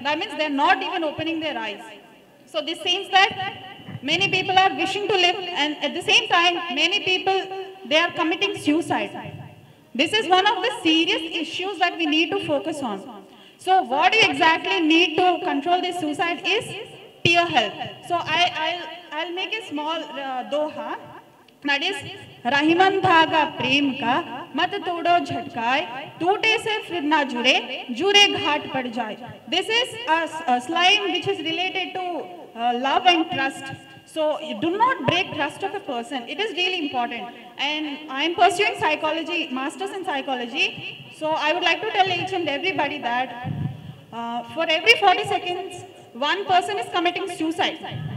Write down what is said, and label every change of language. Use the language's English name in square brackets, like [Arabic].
[English] That means they're not even opening their eyes. So this seems that many people are wishing to live, and at the same time, many people, they are committing suicide. This is one of the serious issues that we need to focus on. So what do you exactly need to control this suicide is peer help. So I'll make a small doha. That is, [Hindi] Rahiman धागा प्रेम का मत तोड़ो झटकाए, टूटे से फिर ना जुड़े, जुड़े घाट पड़ जाए। [English] This is a slime which is related to love and trust. So do not break trust of a person. It is really important. And I am pursuing psychology, masters in psychology. So I would like to tell each and everybody that for every 40 seconds, one person is committing suicide.